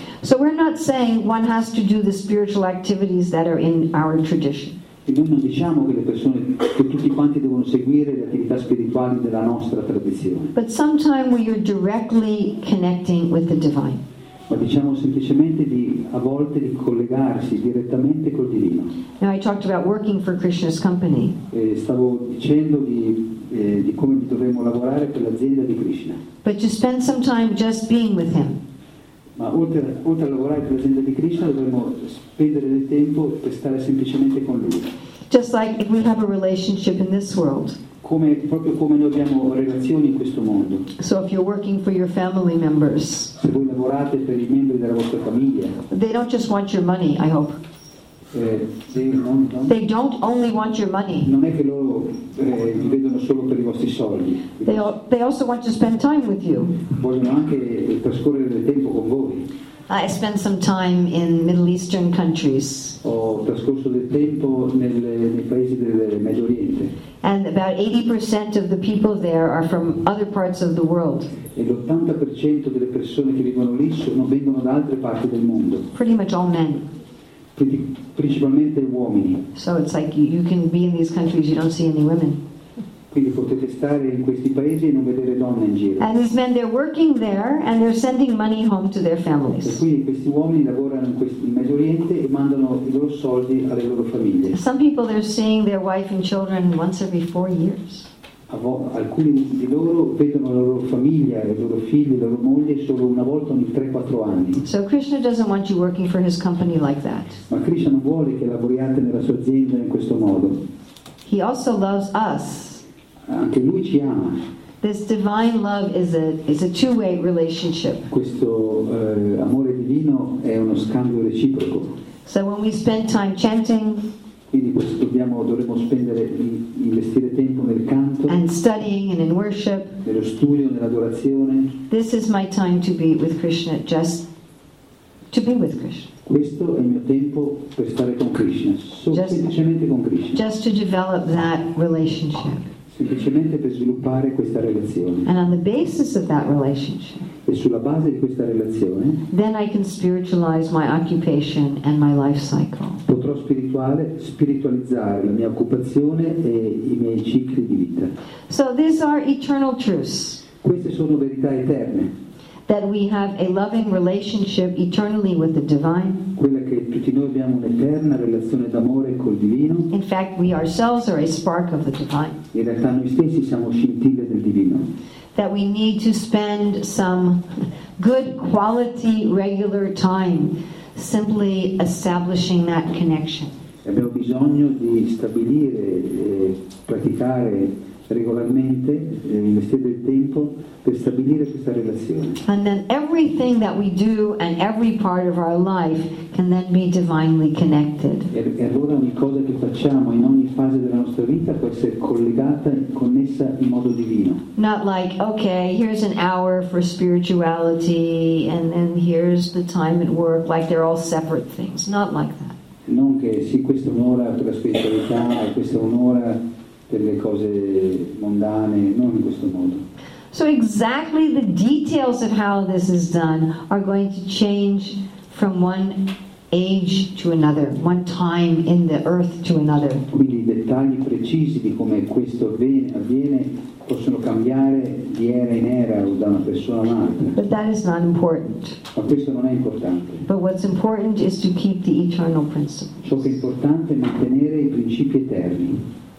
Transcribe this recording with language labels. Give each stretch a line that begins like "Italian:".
English: So we're not saying one has to do the spiritual activities that are in our tradition.
Italian: E noi non diciamo che le persone, che tutti quanti devono seguire le attività spirituali della nostra tradizione.
English: But sometimes we are directly connecting with the divine.
Italian: Ma diciamo semplicemente a volte di collegarsi direttamente col divino.
English: Now I talked about working for Krishna's company.
Italian: Stavo dicendo di come dovremmo lavorare per l'azienda di Krishna.
English: But to spend some time just being with him.
Italian: Ma oltre a lavorare per l'azienda di Krishna, dovremmo spendere del tempo per stare semplicemente con lui.
English: Just like if we have a relationship in this world.
Italian: Come, proprio come noi abbiamo relazioni in questo mondo.
English: So if you're working for your family members,
Italian: se voi lavorate per i membri della vostra famiglia,
English: they don't just want your money, I hope. They don't only want your money.
Italian: Non è che loro vi vedono solo per i vostri soldi.
English: They also want to spend time with you.
Italian: Vogliono anche trascorrere del tempo con voi.
English: I spent some time in Middle Eastern countries.
Italian: Ho trascorso del tempo nei paesi del Medio Oriente.
English: And about 80% of the people there are from other parts of the world.
Italian: E l'80% delle persone che vivono lì vengono da altre parti del mondo.
English: Pretty much all men.
Italian: Principalmente uomini.
English: So it's like you can be in these countries, you don't see any women.
Italian: Quindi potete stare in questi paesi e non vedere donne in giro.
English: And these men, they're working there and they're sending money home to their families.
Italian: E quindi questi uomini lavorano in Medio Oriente e mandano i loro soldi alle loro famiglie.
English: Some people they're seeing their wife and children once every 4 years.
Italian: Alcuni di loro vedono la loro famiglia, i loro figli, la loro moglie solo una volta ogni 3-4 anni.
English: So Krishna doesn't want you working for his company like that.
Italian: Ma Krishna non vuole che lavoriate nella sua azienda in questo modo.
English: He also loves us.
Italian: anche lui ci ama.
English: This divine love is a two-way relationship.
Italian: Questo amore divino è uno scambio reciproco.
English: So when we spend time chanting,
Italian: quindi questo dovremmo spendere, investire tempo nel canto,
English: and studying and in worship,
Italian: nello studio, nell'adorazione.
English: This is my time to be with Krishna, just to be with Krishna.
Italian: Questo è il mio tempo per stare con Krishna, semplicemente con Krishna.
English: Just to develop that relationship.
Italian: Semplicemente per sviluppare questa relazione.
English: And on the basis of that relationship,
Italian: e sulla base di questa relazione,
English: then I can spiritualize my occupation and my life cycle.
Italian: Potrò spiritualizzare la mia occupazione e i miei cicli di vita.
English: So these are eternal truths.
Italian: Queste sono verità eterne.
English: That we have a loving relationship eternally with the divine.
Italian: Quella che tutti noi abbiamo un'eterna relazione d'amore col divino.
English: In fact, we ourselves are a spark of the divine.
Italian: In realtà noi stessi siamo scintille del divino.
English: That we need to spend some good quality regular time simply establishing that connection.
Italian: Abbiamo bisogno di stabilire e praticare regolarmente, investire del tempo per stabilire questa relazione.
English: And then everything that we do and every part of our life can then be divinely connected.
Italian: E allora ogni cosa che facciamo in ogni fase della nostra vita può essere collegata e connessa in modo divino.
English: Not like, okay, here's an hour for spirituality and then here's the time at work, like they're all separate things. Not like that.
Italian: Non che sì, questa è un'ora per la spiritualità e questa è un'ora per le cose mondane, non in questo modo.
English: So exactly the details of how this is done are going to change from one age to another, one time in the earth to another.
Italian: Quindi i dettagli precisi di come questo avviene possono cambiare di era in era o da una persona all'altra.
English: But that is not important.
Italian: Ma questo non è importante.
English: But what's important is to keep the eternal principle.
Italian: Ciò che è importante è mantenere i principi eterni.